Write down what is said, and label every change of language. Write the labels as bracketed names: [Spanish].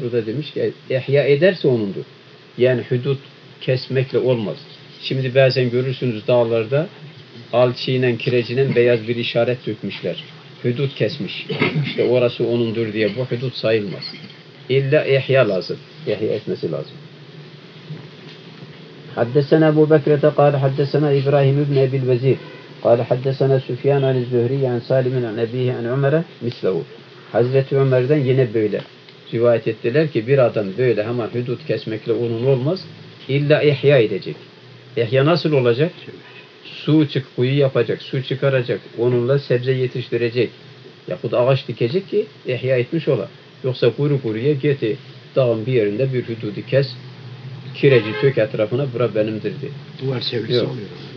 [Turkish] O da demiş ki ihya ederse onundur. Yani hudut kesmekle olmaz. Şimdi bazen görürsünüz dağlarda alçıyla kirecine beyaz bir işaret dökmüşler. Hudut kesmiş. İşte orası onundur diye bu hudut sayılmaz. İlla ihya lazım. İhya etmesi lazım. [Arabic] حدثنا أبو بكرة قال حدثنا إبراهيم بن أبي الوزير قال حدثنا سفيان عن الزهري عن سالم عن أبيه عن عمر مثله [Turkish] Hazreti Ömer'den yine böyle rivayet ettiler ki bir adam böyle hemen hudut kesmekle onun olmaz illa ihya edecek. İhya nasıl olacak? Su çık kuyu yapacak, su çıkaracak, onunla sebze yetiştirecek ya da ağaç dikecek ki ihya etmiş ola. Yoksa kuru kuruya geti dağın bir yerinde bir hududu kes. Kireci tök etrafına, bura benimdir diye. Duvar çevresi oluyor.